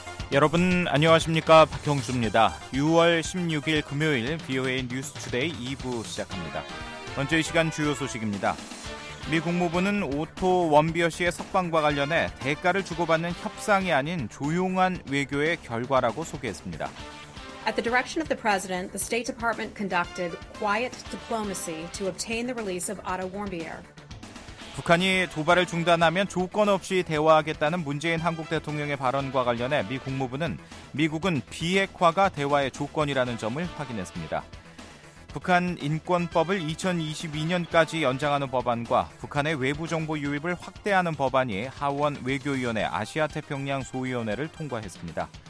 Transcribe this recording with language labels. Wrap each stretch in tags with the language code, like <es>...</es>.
<ko>여러분 안녕하십니까? 박형수입니다. 6월 16일 금요일 VOA News Today 2부 시작합니다. 먼저 이 시간 주요 소식입니다. 미 국무부는 오토 원비어 씨의 석방과 관련해 대가를 주고받는 협상이 아닌 조용한 외교의 결과라고 소개했습니다.</ko> <en>At the direction of the president, the State Department conducted quiet diplomacy to obtain the release of Otto Warmbier.</en> <ko>북한이 도발을 중단하면 조건 없이 대화하겠다는 문재인 한국 대통령의 발언과 관련해 미 국무부는 미국은 비핵화가 대화의 조건이라는 점을 확인했습니다. 북한 인권법을 2022년까지 연장하는 법안과 북한의 외부 정보 유입을 확대하는 법안이 하원 외교위원회 아시아태평양 소위원회를 통과했습니다.</ko>